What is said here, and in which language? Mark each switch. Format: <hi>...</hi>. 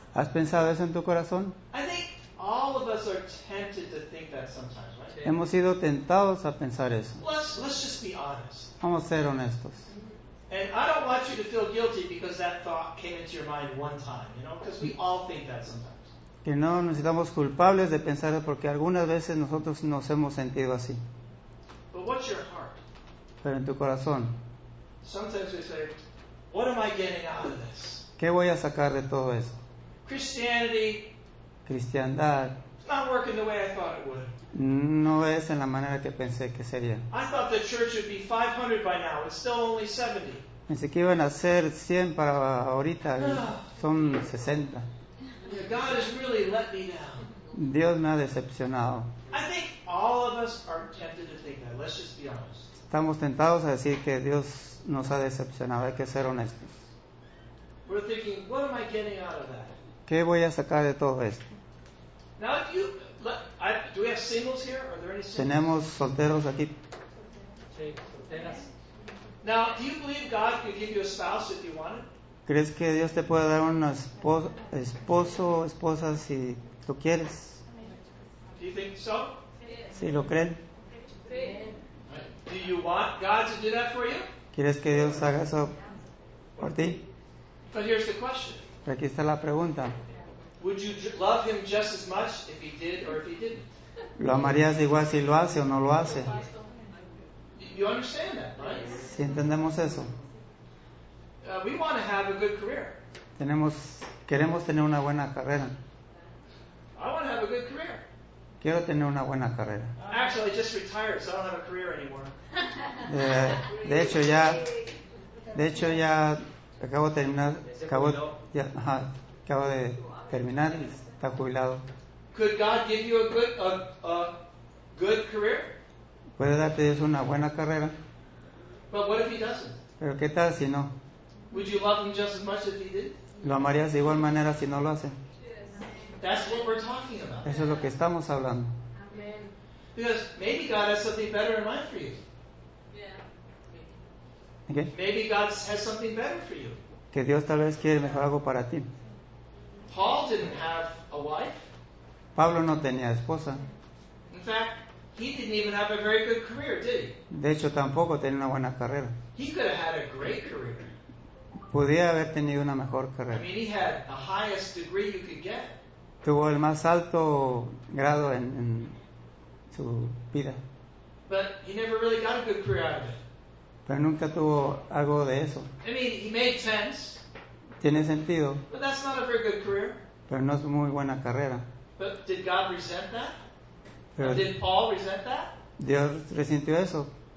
<es>¿Has pensado eso en tu corazón?</es> <en>I think all of us are tempted to think that sometimes, right?</en> <es>Hemos sido tentados a pensar eso.</es> <en>Let's just be honest.</en> <es>Vamos a ser honestos.</es> <en>And I don't want you to feel guilty because that thought came into your mind one time, you know, because we all think that sometimes.</en> <es>Que no nos sintamos culpables de pensar porque algunas veces nosotros nos hemos sentido así.</es> <en>But what's your heart?</en> <es>Pero en tu corazón.</es> <en>Sometimes we say, what am I getting out of this?</en> <es>¿Qué voy a sacar de todo eso?</es> <en>Christianity.</en> <es>Cristiandad.</es> <en>not working the way I thought it would.</en> <es>No es en la manera que pensé que sería.</es> <en>I thought the church would be 500 by now. It's still only 70.</en> <es>Pensé que iban a ser 100 para ahorita. Son 60.</es> <en>Yeah, God has really let me down.</en> <es>Dios me ha decepcionado.</es> <en>I think all of us are tempted to think that. Let's just be honest.</en> <es>Estamos tentados a decir que Dios nos ha decepcionado. Hay que ser honestos.</es> <en>We're thinking, what am I getting out of that?</en> <es>¿Qué voy a sacar de todo esto?</es> <en>Now, if you, do we have singles here? Are there any singles?</en> <es>¿Tenemos solteros aquí? Sí, solteras.</es> <en>Now, do you believe God could give you a spouse if you wanted?</en> <es>¿Crees que Dios te puede dar un esposo o esposa si tú quieres?</es> <en>Do you think so?</en> <es>Sí, lo creen. Sí.</es> <en>Do you want God to do that for you?</en> <es>¿Quieres que Dios haga eso por ti?</es> <en>But here's the question.</en> <es>Pero aquí está la pregunta.</es> <en>Would you love him just as much if he did or if he didn't?</en> <es>¿Lo amarías igual si lo hace o no lo hace?</es> <en>You understand that, right?</en> <es>Sí, entendemos eso.</es> <en>We want to have a good career.</en> <es>Queremos tener una buena carrera.</es> <en>I want to have a good career.</en> <es>Quiero tener una buena carrera.</es> <en>Actually, I just retired, so I don't have a career anymore.</en> <es>De hecho ya acabo de terminar. Acabo de terminar y está jubilado.</es> <en>Could God give you a good career?</en> <es>¿Puede darte Dios una buena carrera?</es> <en>But what if he doesn't?</en> <es>¿Pero qué tal si no?</es> <en>Would you love him just as much if he did?</en> <es>¿Lo amarías de igual manera si no lo hace?</es> <en>That's what we're talking about.</en> <es>Eso es lo que estamos hablando.</es> <en>Amen. Because maybe God has something better in mind for you. Yeah. Okay. Maybe God has something better for you.</en> <es>Que Dios tal vez quiere mejor algo para ti.</es> <en>Paul didn't have a wife.</en> <es>Pablo no tenía esposa.</es> <en>In fact, he didn't even have a very good career, did he?</en> <es>De hecho, tampoco tenía una buena carrera.</es> <en>He could have had a great career.</en> <es>Podía haber tenido una mejor carrera.</es> <en>I mean, he had the highest degree you could get.</en> <es>Tuvo el más alto grado en su vida.</es> <en>But he never really got a good career out of it.</en> <es>Pero nunca tuvo algo de eso.</es> <en>I mean, he made sense.</en> <es>Tiene sentido.</es> <en>But that's not a very good career.</en> <es>Pero no es muy buena carrera.</es> <en>But did God resent that? Pero did Paul resent that?</en> <es>Dios resintió eso.</es>